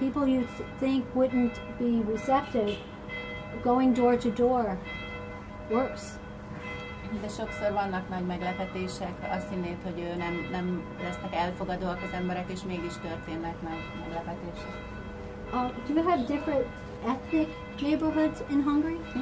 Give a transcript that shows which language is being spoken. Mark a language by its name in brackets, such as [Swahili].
[English] People you think wouldn't be receptive, going door to door works. [Hungarian] De sokszor vannak nagy meglepetések, azt hinnéd, hogy nem lesznek elfogadóak az emberek, és mégis történnek nagy meglepetések. [English] Do you have different ethnic neighborhoods in Hungary?